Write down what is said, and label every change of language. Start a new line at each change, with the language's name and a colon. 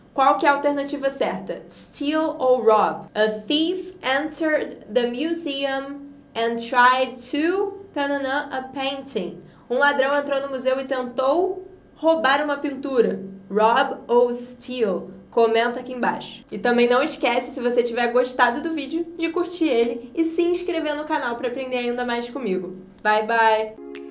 Portuguese: Qual que é a alternativa certa? Steal ou rob?
English: A thief entered the museum and tried to tanana a painting.
Portuguese: Um ladrão entrou no museu e tentou roubar uma pintura. Rob ou steal? Comenta aqui embaixo. E também não esquece, se você tiver gostado do vídeo, de curtir ele e se inscrever no canal para aprender ainda mais comigo. Bye bye.